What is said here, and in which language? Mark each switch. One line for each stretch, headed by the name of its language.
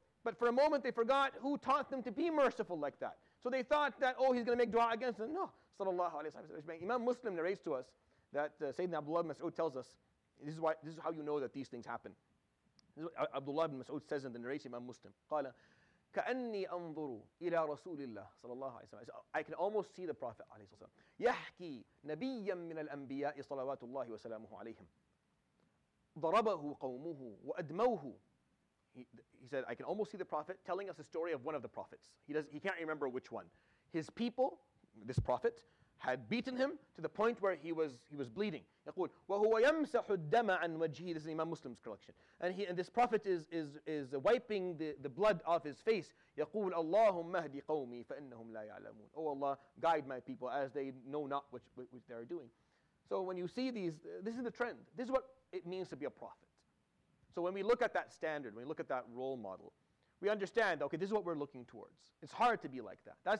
English: But for a moment they forgot who taught them to be merciful like that. So they thought that, oh, he's going to make dua against them. No. Sallallahu alayhi wa sallam. Imam Muslim narrates to us that Sayyidina Abdullah ibn Mas'ud tells us, this is how you know that these things happen. This is what Abdullah ibn Mas'ud says in the narration of Imam Muslim.
Arabic: Qala, كأني أنظر إلى رسول الله صلى الله عليه وسلم.
English: I can almost see the Prophet
Arabic: عليه الصلاة والسلام يحكي نبيا من الأنبياء صلوات الله وسلامه عليهم ضربه قومه وأدموه.
English: He said, I can almost see the Prophet telling us the story of one of the prophets. He can't remember which one. His people, this Prophet, had beaten him to the point where he was bleeding.
Arabic: يقول وهو يمسح الدم عن وجهه.
English: This is Imam Muslim's collection. And this Prophet is wiping the blood off his face.
Arabic: يقول اللهم اهدي قومي فإنهم لا يعلمون.
English: Oh Allah, guide my people as they know not what they are doing. So when you see these, this is the trend. This is what it means to be a prophet. So when we look at that standard, when we look at that role model, we understand, okay, this is what we're looking towards. It's hard to be like that.